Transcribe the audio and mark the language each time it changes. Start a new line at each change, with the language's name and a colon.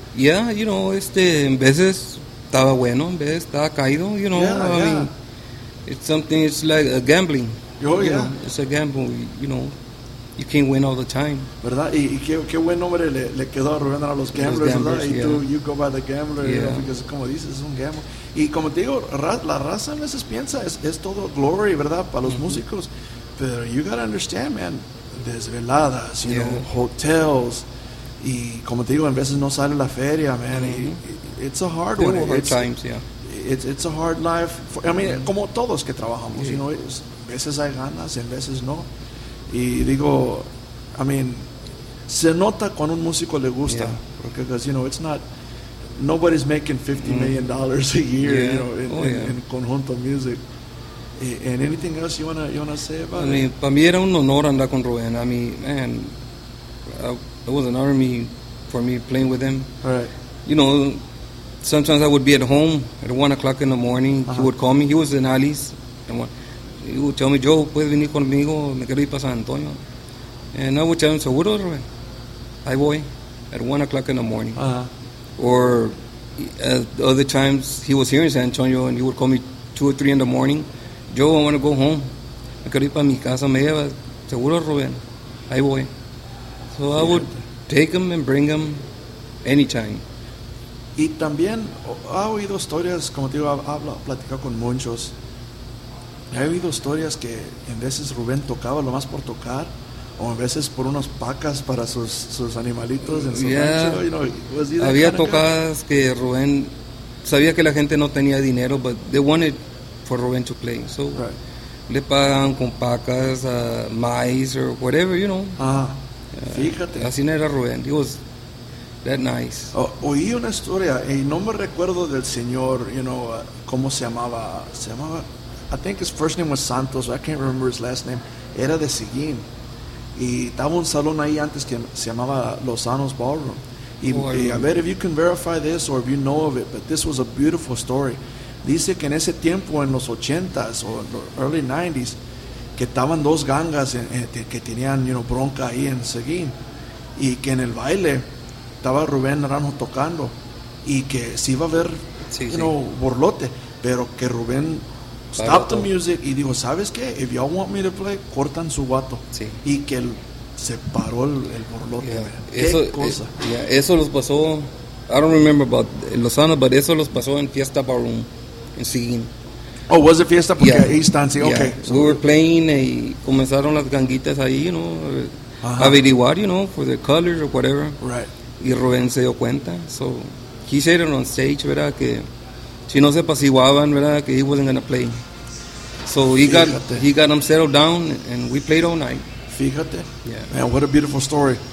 English: Yeah, you know,
Spanish: en veces estaba bueno, en veces estaba caído,
English: you know. Yeah, I mean, it's something, it's like a gambling. Oh, yeah. Know, it's a gamble, you know. You can't win all the time.
Spanish: ¿Verdad? Y qué buen nombre le quedó a Rubén a los gamblers,
English: gamblers,
Spanish: ¿verdad?
English: Yeah.
Spanish: Y tú,
English: you go by the gambler, yeah. You know, because
Spanish: como dices, es un gamble. Y como te digo, la raza a veces piensa, es todo glory, ¿verdad? Para los mm-hmm. músicos. Pero
English: you gotta understand, man,
Spanish: desveladas, you
English: yeah. know, hotels.
Spanish: Y como te digo, en veces no sale la feria, man.
English: Mm-hmm. It's a hard yeah, one. Hard it's, times, yeah. It's a hard life.
Spanish: Como todos que trabajamos,
English: yeah. you know,
Spanish: a veces hay ganas, en veces no. Y digo,
English: I mean,
Spanish: se nota cuando un músico le gusta,
English: yeah.
Spanish: porque,
English: you know, it's not, nobody's making $50 million a year, yeah. you know, in conjunto music. And anything else you wanna say about it? I mean,
Spanish: para mí era un honor andar con Rubén.
English: I mean, man, it was an honor for me playing with him. All right. You know, sometimes I would be at home at 1:00 in the morning. Uh-huh. He would call me. He was in Alice. He would tell me, Joe,
Spanish: puedes venir conmigo, me quiero ir para San Antonio.
English: And I would tell him,
Spanish: seguro, Rubén.
English: I voy at 1:00 in the morning. Uh-huh. Or at other times, he was here in San Antonio, and he would call me 2 or 3 in the morning. Joe, I want to go home.
Spanish: Me quiero ir para mi casa, me lleva. Seguro, Rubén. I voy. So yeah.
English: I would take him and bring him anytime.
Spanish: Y también, ha oído historias, como te digo, ha platicado con muchos. He oído historias que en veces Rubén tocaba lo más por tocar, o en veces por unos pacas para sus animalitos en su
English: yeah. rancho. You know,
Spanish: había tocadas que Rubén sabía que la gente no tenía dinero,
English: but they wanted for Rubén to play. So right.
Spanish: le pagaban con pacas, maíz
English: or whatever, you know.
Spanish: Ah, fíjate. Así no era Rubén.
English: He was that nice.
Spanish: Oí una historia y no me recuerdo del señor,
English: you know,
Spanish: cómo se llamaba. Se llamaba.
English: I think his first name was Santos. I can't remember his last name.
Spanish: Era de Seguín. Y estaba un salón ahí antes que se llamaba Los Sanos Ballroom. Y,
English: oh, I bet if you can verify this or if you know of it, but this was a beautiful story.
Spanish: Dice que en ese tiempo, en los 80s o
English: early 90s,
Spanish: que estaban dos gangas que tenían,
English: you know,
Spanish: bronca ahí en Seguín. Y que en el baile estaba Rubén Naranjo tocando. Y que se iba a ver, sí,
English: you
Spanish: sí.
English: know,
Spanish: borlote. Pero que Rubén
English: stop the music
Spanish: y dijo, ¿sabes qué? If y'all want me to play, cortan su guato. Sí. Y que él se paró el borlote.
English: Yeah.
Spanish: Qué eso, cosa.
English: Yeah,
Spanish: eso los pasó,
English: I don't remember about Lozano, but
Spanish: eso los pasó en Fiesta Ballroom, en Seguín.
English: Oh, was it Fiesta?
Spanish: Porque
English: yeah.
Spanish: ahí están, sí,
English: yeah. okay. So we were playing
Spanish: y comenzaron las ganguitas ahí,
English: you know, uh-huh. averiguar, you know, for the colors or whatever. Right.
Spanish: Y Rubén se dio cuenta,
English: so he said it on stage,
Spanish: ¿verdad? Que si no se apaciguaban, ¿verdad? Que
English: he wasn't going to play. So he got him settled down, and we played all night.
Spanish: Fíjate.
English: Yeah. Man, what a beautiful story.